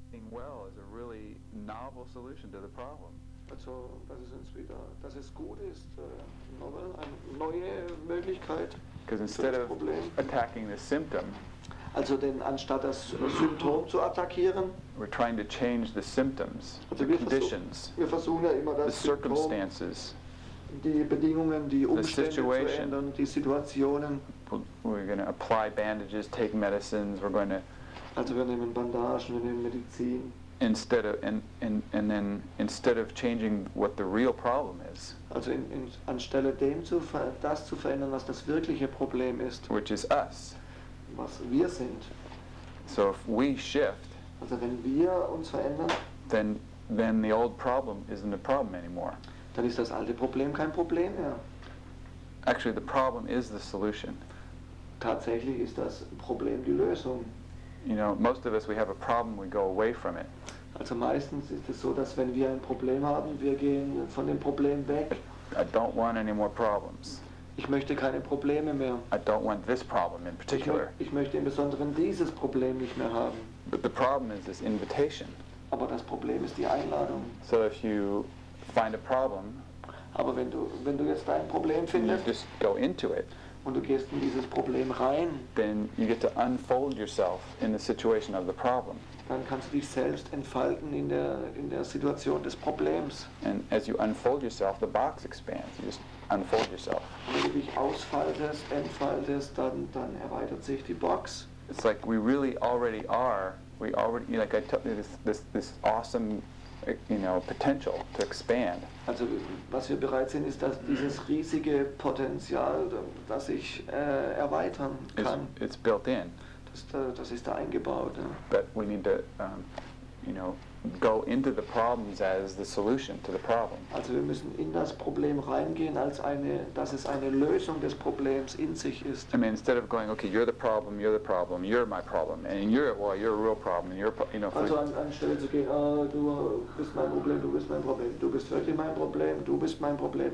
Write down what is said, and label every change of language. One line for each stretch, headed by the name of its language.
English: well is a really novel solution to the problem.
German: Also, das ist uns wieder, dass es gut ist, novel, eine neue Möglichkeit.
English: Because instead of attacking the symptom,
German: also denn anstatt das Symptom zu attackieren,
English: we're trying to change the symptoms, also the conditions,
German: wir versuchen ja immer das
English: the circumstances,
German: die Bedingungen, die Umstände zu ändern, die Situationen.
English: We're going to apply bandages, take medicines, we're going to...
German: Also wir nehmen Bandagen, wir nehmen Medizin.
English: Instead of instead of changing what the real problem is,
German: also anstelle dem zu das zu verändern, was das wirkliche Problem ist,
English: which is us,
German: was wir sind.
English: So if we shift,
German: also wenn wir uns verändern,
English: then the old problem isn't a problem anymore.
German: Dann ist das alte Problem kein Problem mehr.
English: Actually, the problem is the solution.
German: Tatsächlich ist das Problem die Lösung.
English: You know, most of us, we have a problem, we go away from it.
German: Also meistens ist es so, dass wenn wir ein Problem haben, wir gehen von dem Problem weg.
English: I don't want any more problems.
German: Ich möchte keine Probleme mehr.
English: I don't want this problem in particular.
German: Ich möchte im Besonderen dieses Problem nicht mehr haben.
English: But the problem is this invitation.
German: Aber das Problem ist die Einladung.
English: So if you find a problem,
German: aber wenn du jetzt dein Problem findest,
English: just go into it.
German: Und du gehst in dieses Problem rein.
English: Then you get to unfold yourself in the situation of the problem.
German: Dann kannst du dich selbst entfalten in der Situation des Problems.
English: And as you unfold yourself, the box expands. You just unfold yourself.
German: Und wenn du dich entfaltest, dann erweitert sich die Box.
English: It's like we really already are. We already, like I told you, this awesome, you know, potential to expand.
German: Also, was wir bereit sind, ist, dass dieses riesige Potenzial, das ich erweitern kann.
English: It's built in.
German: Das ist da eingebaut. Ja.
English: But we need to, you know, go into the problems as the solution to the problem.
German: Also, wir müssen in das Problem reingehen, dass es eine Lösung des Problems in sich ist.
English: I mean, instead of going, okay, you're the problem, you're the problem, you're my problem, and you're a real problem, and
German: Also, anstelle zu gehen, du bist mein Problem, du bist mein Problem, du bist wirklich mein Problem, du bist mein Problem.